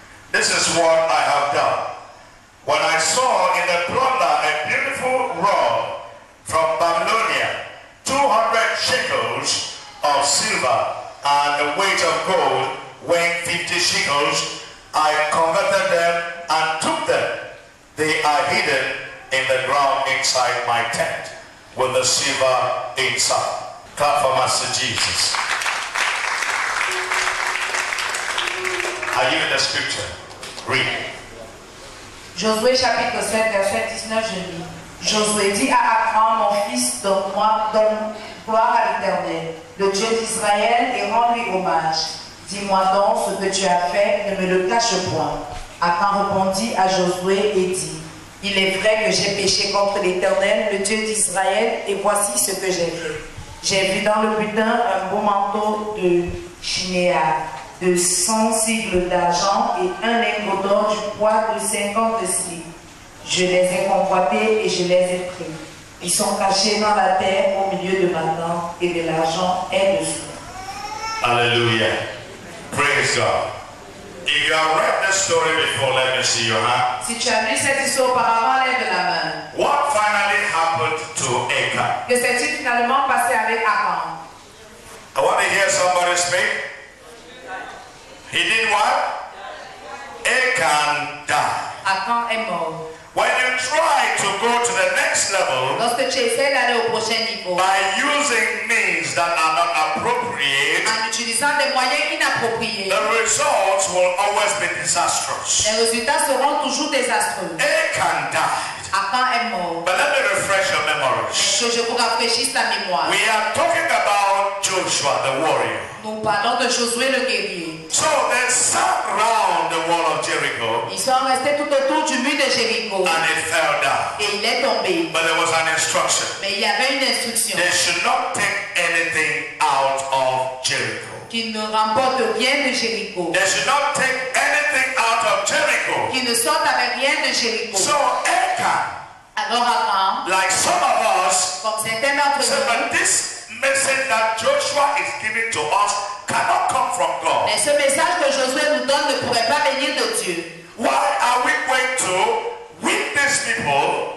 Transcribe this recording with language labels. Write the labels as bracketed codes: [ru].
[en] This is what I have done. When I saw in the plunder a beautiful robe from Babylonia, 200 shekels of silver and the weight of gold weighing 50 shekels, I converted them and took them. They are hidden in the ground inside my tent with the silver inside. Clap for Master Jesus. Are you in the scripture? Read. [fr] Josué chapitre 7, verset 19, je lis. Josué dit à Achan, mon fils, donne gloire à l'Éternel, le Dieu d'Israël, et rends-lui hommage. Dis-moi donc ce que tu as fait, ne me le cache point. Achan répondit à Josué et dit, il est vrai que j'ai péché contre l'Éternel, le Dieu d'Israël, et voici ce que j'ai fait. J'ai vu dans le butin un beau manteau de Chinéa, de 100 sigles d'argent et un lingot d'or du poids de 50 sigles. Je les ai convoités et je les ai pris. Ils sont cachés dans la terre au milieu de ma tente et de l'argent est dessous. [en] Alléluia. Praise God. If you have read this story before, let me see your hand. [fr] Si tu as lu cette histoire auparavant, lève la main. [en] What finally happened to Achan? [fr] Que s'est-il finalement passé avec Achan? [en] I want to hear somebody speak. He did what? Achan died. [fr] Achan est mort. [en] When you try to go to the next level, [fr] lorsque tu essaies d'aller au prochain niveau, [en] by using means that are not appropriate, [fr] en utilisant des moyens inappropriés, [en] the results will always be disastrous. [fr] Les résultats seront toujours désastreux. [en] Achan died. [fr] Achan est mort. [en] But let me refresh your memories. [fr] Que je vous rafraîchisse la mémoire. [en] We are talking about Joshua the warrior. [fr] Nous parlons de Josué le guerrier. [en] So they sat round the wall of Jericho. [fr] Ils sont restés tout autour du mur de Jéricho. [en] And it fell down. [fr] Et il est tombé. [en] But there was an instruction. [fr] Mais il y avait une instruction. [en] They should not take anything out of Jericho. [fr] Qu'ils ne remportent rien de Jéricho. [en] They should not take anything out of Jericho. [fr] Qu'ils ne sortent avec rien de Jéricho. [en] So Achan. [fr] Alors Achan. [en] Like some of us. [fr] Comme certains d'entre nous. [en] But this message that Joshua is giving to us cannot come from God. [fr] Mais ce message que Josué nous donne ne pourrait pas venir de Dieu. [en] Why are we going to win these people?